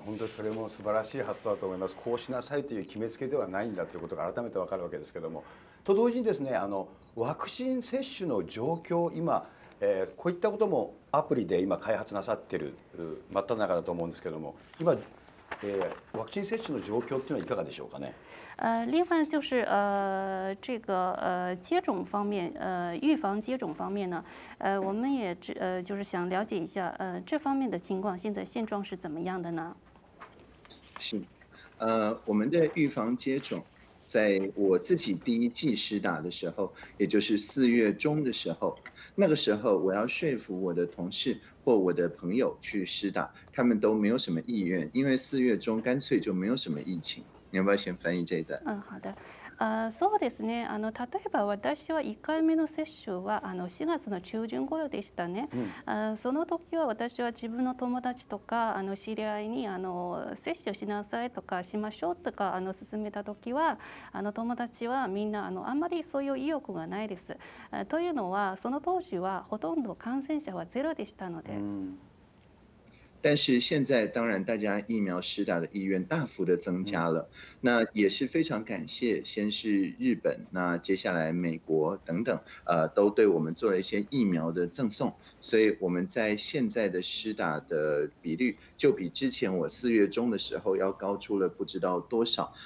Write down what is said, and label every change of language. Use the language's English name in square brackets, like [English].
[Japanese] 本当にそれも素晴らしい発想だと思います。こうしなさいという決めつけではないんだということが改めて分かるわけですけれども、と同時にですね、あのワクチン接種の状況今、こういったこともアプリで今開発なさっている真っ只中だと思うんですけれども、今、ワクチン接種の状況というのはいかがでしょうかね。 [Chinese] 另外就是这个接种方面预防接种方面呢我们也就是想了解一下这方面的情况现在现状是怎么样的呢。是我们的预防接种在我自己第一剂施打的时候，也就是四月中的时候，那个时候我要说服我的同事或我的朋友去施打，他们都没有什么意愿，因为四月中干脆就没有什么疫情。你要不要先翻译这一段？嗯，好的。 [Japanese] そうですね、あの例えば私は1回目の接種はあの4月の中旬頃でしたね、うん、その時は私は自分の友達とかあの知り合いにあの接種しなさいとかしましょうとかあの勧めた時はあの友達はみんな あまりそういう意欲がないです、というのはその当時はほとんど感染者はゼロでしたので、うん。 [Chinese] 但是现在当然大家疫苗施打的意愿大幅的增加了，那也是非常感谢先是日本，那接下来美国等等都对我们做了一些疫苗的赠送，所以我们在现在的施打的比率就比之前我四月中的时候要高出了不知道多少。